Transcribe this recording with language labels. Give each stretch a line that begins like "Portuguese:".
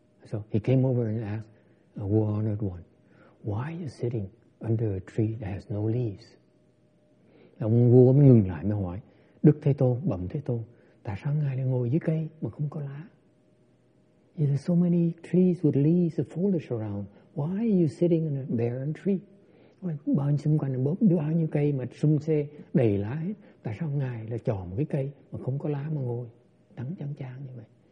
English: So he came over and asked, "Who honored one, why are you sitting under a tree that has no leaves?"
Vietnamese: Ông vua mới ngừng lại mới hỏi Đức Thế Tôn, bẩm Thế Tôn, tại sao ngài lại ngồi dưới cây mà không có lá?
English: "There are so many trees with leaves and foliage around. Why are you sitting in a barren tree?"
Vietnamese: Bao nhiêu xung quanh là bao nhiêu cây mà sum xê đầy lá hết. Tại sao ngài lại chọn một cái cây mà không có lá mà ngồi đắng chán chán như vậy?